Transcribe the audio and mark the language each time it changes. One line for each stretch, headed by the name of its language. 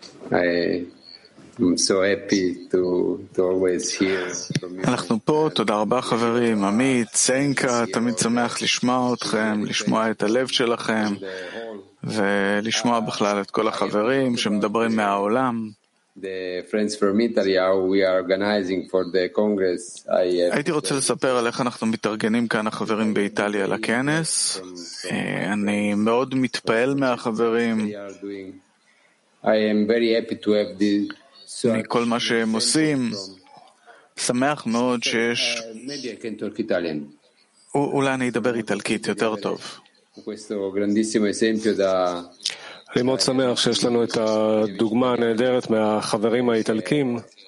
English: I'm so happy to always hear from you.
Hebrew: אנחנו פה, תודה רבה חברים. עמית, סנקה, תמיד שמח לשמוע אתכם, לשמוע את הלב שלכם, ולשמוע בכלל את כל החברים שמדברים מהעולם.
English: The friends from Italy, how we are organizing for the Congress.
Hebrew: הייתי רוצה לספר על איך אנחנו מתארגנים כאן החברים באיטליה לכנס. אני מאוד מתפעל מהחברים.
English: I am very happy to have the
Hebrew: מכל מה שהם עושים, שמח מאוד שיש... אולי אני אדבר איטלקית יותר טוב. אני מאוד שמח שיש לנו את הדוגמה הנהדרת מהחברים האיטלקים.